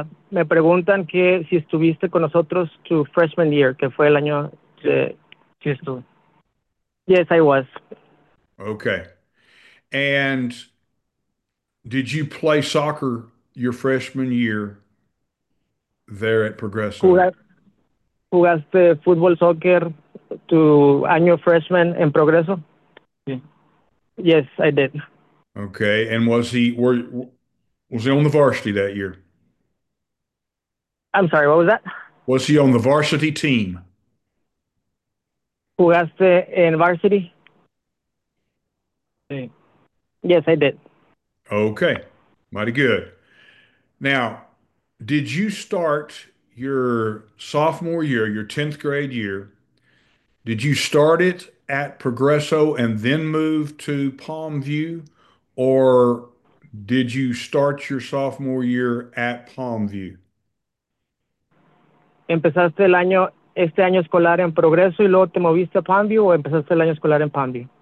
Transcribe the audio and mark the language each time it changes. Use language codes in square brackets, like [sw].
[es] Me preguntan que si estuviste con nosotros tu freshman year, que fue el año que estuve. [en] Yes, I was. Okay. And did you play soccer your freshman year there at Progreso? [es] ¿Jugaste fútbol, soccer, tu año freshman en Progreso? [en] Yes, I did. Okay, and was he on the varsity that year? I'm sorry, what was that? Was he on the varsity team? [es] ¿Jugaste en varsity? Sí. [en] Yes, I did. Okay, mighty good. Now, did you start your sophomore year, your 10th grade year? Did you start it at Progreso and then move to Palm View? Or did you start your sophomore year at Palm View? [es] ¿Empezaste el año, este año escolar en Progreso y luego te moviste a Palmview o empezaste el año escolar en Palmview?